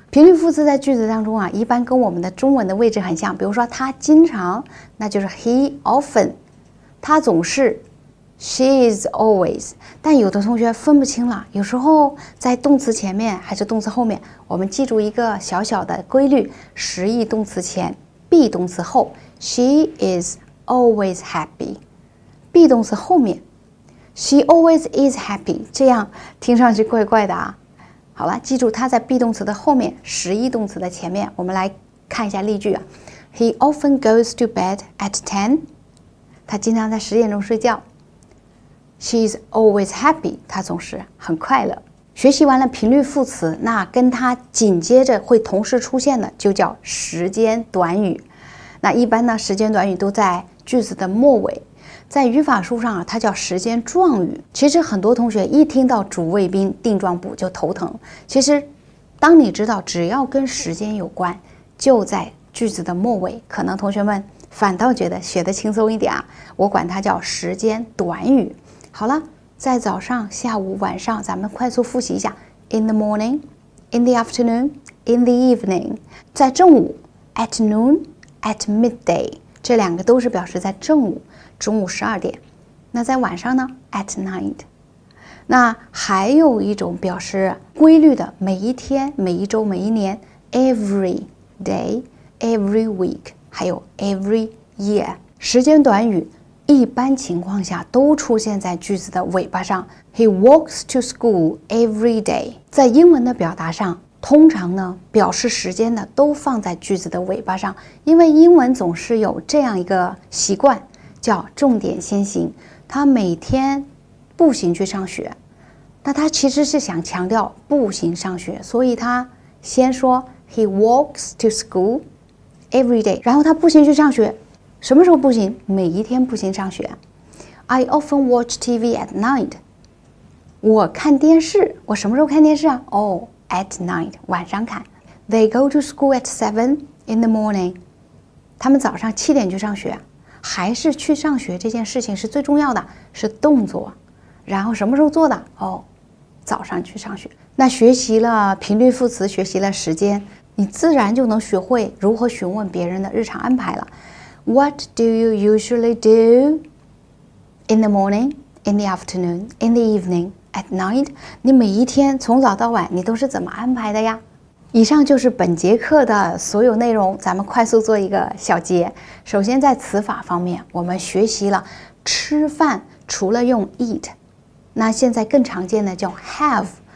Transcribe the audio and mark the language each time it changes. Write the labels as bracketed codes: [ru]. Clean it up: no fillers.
[zh] 频率副词在句子当中啊，一般跟我们的中文的位置很像，比如说他经常，那就是 [en] he often， [zh] 他总是 [en] she is always。 [zh] 但有的同学分不清了，有时候在动词前面还是动词后面，我们记住一个小小的规律，实义动词前be 动词后 ， [en] she is always happy。 [zh] be 动词后面 ， [en] she always is happy。 [zh] 这样听上去怪怪的啊。好了，记住它在 be 动词的后面，实义动词的前面。我们来看一下例句啊。 [en] He often goes to bed at 10。 [zh] 他经常在十点钟睡觉。 [en] She is always happy。 [zh] 他总是很快乐。学习完了频率副词，那跟它紧接着会同时出现的就叫时间短语。那一般呢，时间短语都在句子的末尾。在语法书上啊，它叫时间状语。其实很多同学一听到主谓宾定状补就头疼。其实当你知道只要跟时间有关，就在句子的末尾，可能同学们反倒觉得学得轻松一点啊。我管它叫时间短语。好了，在早上、下午、晚上，咱们快速复习一下 [en] in the morning, in the afternoon, in the evening。 [zh] 在正午 [en] at noon, at midday， [zh] 这两个都是表示在正午，中午12点。那在晚上呢 [en] at night。 [zh] 那还有一种表示规律的，每一天、每一周、每一年， [en] every day, every week， [zh] 还有 [en] every year。 [zh] 时间短语一般情况下都出现在句子的尾巴上。 [en] He walks to school every day。 [zh] 在英文的表达上，通常呢表示时间的都放在句子的尾巴上，因为英文总是有这样一个习惯叫重点先行。他每天步行去上学，那他其实是想强调步行上学，所以他先说 [en] He walks to school every day， [zh] 然后他步行去上学。什么时候步行？每一天步行上学。 [en] I often watch TV at night。 [zh] 我看电视，我什么时候看电视啊？ [en] Oh, at night， [zh] 晚上看。 [en] They go to school at 7 in the morning。 [zh] 他们早上7点去上学。还是去上学这件事情是最重要的，是动作。然后什么时候做的？哦，早上去上学。那学习了频率副词，学习了时间，你自然就能学会如何询问别人的日常安排了。 [en] What do you usually do in the morning, in the afternoon, in the evening, at night? [zh] 你每一天从早到晚你都是怎么安排的呀？以上就是本节课的所有内容，咱们快速做一个小结。首先在词法方面，我们学习了吃饭除了用 eat， 那现在更常见的叫 have。